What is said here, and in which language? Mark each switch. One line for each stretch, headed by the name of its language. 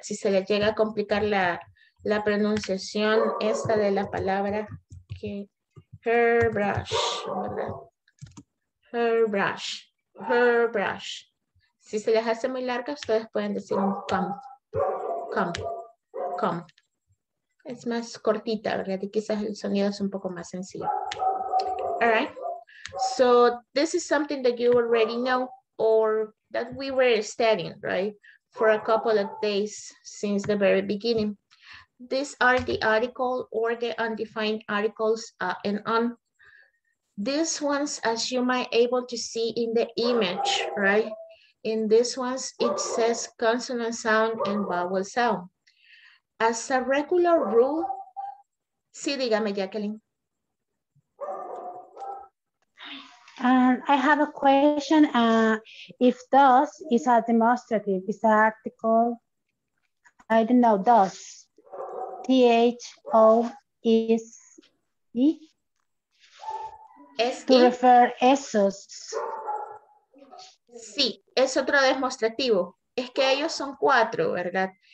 Spanish: Si se les llega a complicar la pronunciación esta de la palabra, que hairbrush, ¿verdad? Hairbrush, hairbrush. Si se les hace muy larga, ustedes pueden decir un come. Come, come. Es más cortita, ¿verdad? Y quizás el sonido es un poco más sencillo.
English: All right. So this is something that you already know or that we were studying, right? For a couple of days since the very beginning. These are the article or the undefined articles and on. These ones, as you might able to see in the image, right? In this one, it says consonant sound and vowel sound. As a regular rule,
Spanish: sí, dígame,
English: Jacqueline. And I have a question, if does is a demonstrative, is an article, I don't know, does, T-H-O-S-E, S-E? To refer
Spanish: esos. Sí, es otro demostrativo, es que ellos son cuatro, ¿verdad?